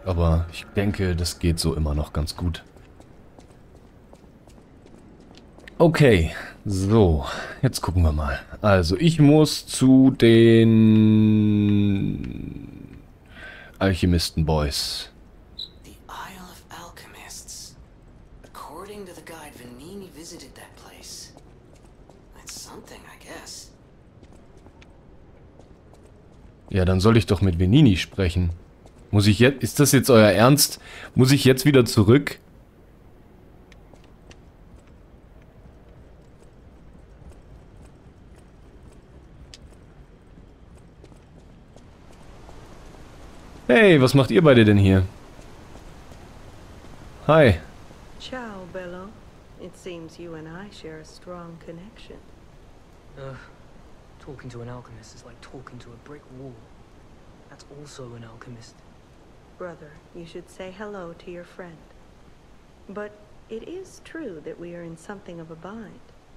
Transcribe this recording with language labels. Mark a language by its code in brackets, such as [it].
[de] Aber ich denke, das geht so immer noch ganz gut. Okay, so. Jetzt gucken wir mal. Also, ich muss zu den Alchemisten-Boys. [en] The Isle of Alchemists. According to the guide, Venini visited that place. That's something, I guess. [de] Ja, dann soll ich doch mit Venini sprechen. Muss ich jetzt... Ist das jetzt euer Ernst? Muss ich jetzt wieder zurück? Hey, was macht ihr beide denn hier? Hi. [it] Ciao, Bello. [en] It seems you and I share a strong connection. Talking to an alchemist is like talking to a brick wall. That's also an alchemist. Brother, you should say hello to your friend. But it is true that we are in something of a bind.